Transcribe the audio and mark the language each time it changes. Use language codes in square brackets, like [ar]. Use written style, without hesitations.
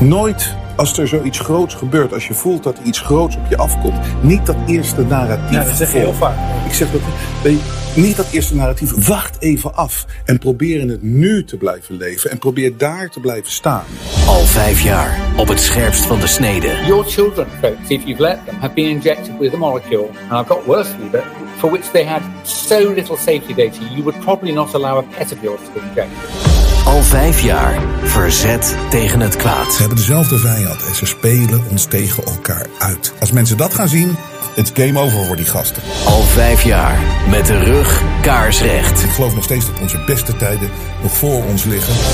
[nl] Nooit als er zoiets groots gebeurt, als je voelt dat iets groots op je afkomt. Niet dat eerste narratief. Ja, dat zeg je heel vaak. Ik zeg dat. Niet dat eerste narratief. Wacht even af en probeer in het nu te blijven leven. En probeer daar te blijven staan. Al 5 jaar op het scherpst van de snede. [en] Your children, folks, if you've let them, have been injected with a molecule. And I've got worse with it. For which they had so little safety data. You would probably not allow a pet of yours to be injected. [nl] Al 5 jaar verzet tegen het kwaad. We hebben dezelfde vijand en ze spelen ons tegen elkaar uit. Als mensen dat gaan zien, [en] it's game over [nl] voor die gasten. Al 5 jaar met de rug kaarsrecht. Ik geloof nog steeds dat onze beste tijden nog voor ons liggen.